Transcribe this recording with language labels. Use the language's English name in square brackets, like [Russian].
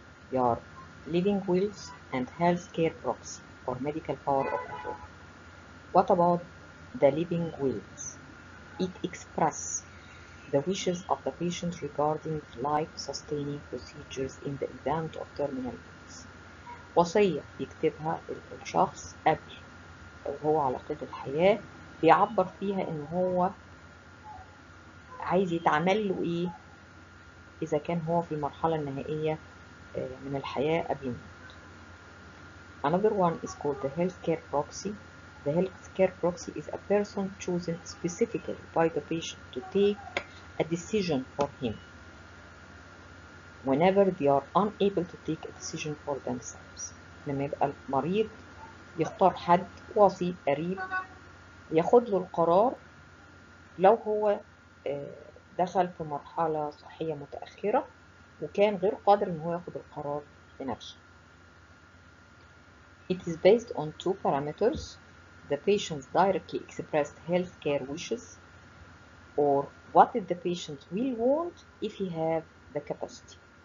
[English] They are living wills and healthcare proxy or medical power of attorney. What about the living wills? It expresses the wishes of the patient regarding life-sustaining procedures in the event of terminal illness. [Arabic] وصية يكتبها الشخص قبل وهو على قيد الحياة بيعبر فيها إن هو عايز يتعمل له إيه إذا كان هو في المرحلة النهائية من الحياة قبل الموت. [English] Another one is called the healthcare proxy. The healthcare proxy is a person chosen specifically by the patient to take a decision for him whenever they are unable to take a decision for themselves. [Arabic] لما يبقى المريض يختار حد وصي قريب ياخد له القرار لو هو دخل في مرحلة صحية متأخرة وكان غير قادر ان هو ياخد القرار بنفسه. [English] It is based on two parameters. The patient's directly expressed healthcare wishes, or what did the patient will want if he have the capacity.